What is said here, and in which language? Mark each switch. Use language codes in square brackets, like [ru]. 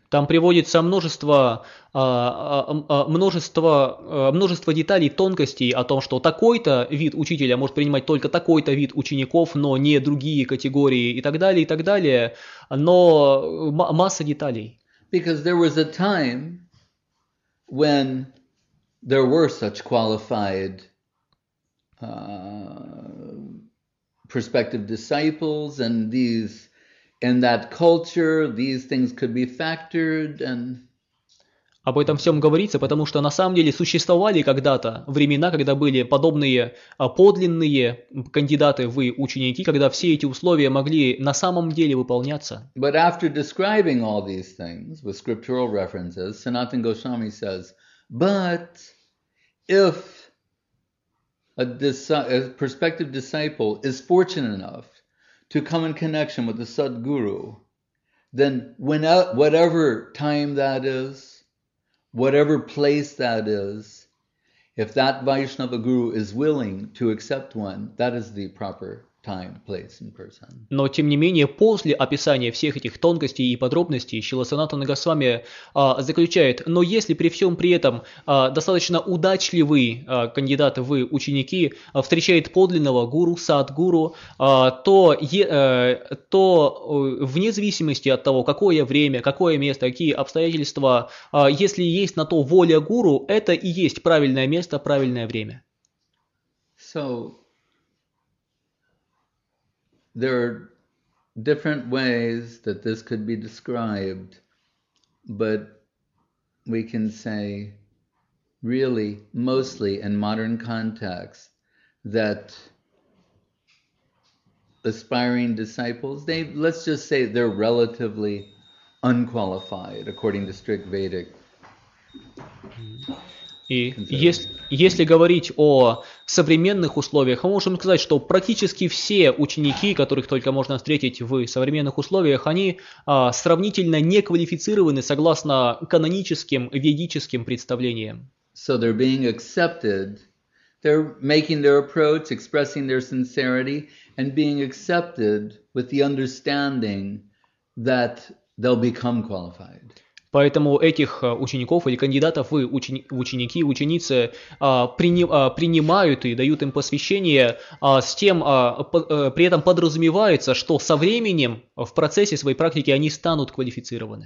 [ru] Там приводится множество деталей, тонкостей о том, что такой-то вид учителя может принимать только такой-то вид учеников, но не другие категории и так далее, и так далее. Но масса деталей. [en] Because there was a time when there were such qualified prospective disciples, and these in that culture these things could be factored. And [ru] об этом всем говорится, потому что на самом деле существовали когда-то времена, когда были подобные подлинные кандидаты в ученики, когда все эти условия могли на самом деле выполняться. [en] But after describing all these things with scriptural references, Sanatana Goswami says, but if a prospective disciple is fortunate enough to come in connection with the Sadguru, then whatever time that is, whatever place that is, if that Vaishnava Guru is willing to accept one, that is the proper time, place, and person. [ru] Но тем не менее, после описания всех этих тонкостей и подробностей, Шрила Санатана Госвами заключает, но если при всем при этом достаточно удачливый кандидат в ученики встречает подлинного гуру, садгуру, то вне зависимости от того, какое время, какое место, какие обстоятельства, если есть на то воля гуру, это и есть правильное место, правильное время. [en] So, there are different ways that this could be described, but we can say, really, mostly in modern context, that aspiring disciples, let's just say they're relatively unqualified according to strict Vedic. [ru] И если говорить о современных условиях, мы можем сказать, что практически все ученики, которых только можно встретить в современных условиях, они сравнительно неквалифицированы согласно каноническим ведическим представлениям. [en] So they're being accepted, they're making their approach, expressing their sincerity, and being accepted with the understanding that they'll become qualified. [ru] Поэтому этих учеников или кандидатов в ученики, ученицы принимают и дают им посвящение с тем, при этом подразумевается, что со временем в процессе своей практики они станут квалифицированы.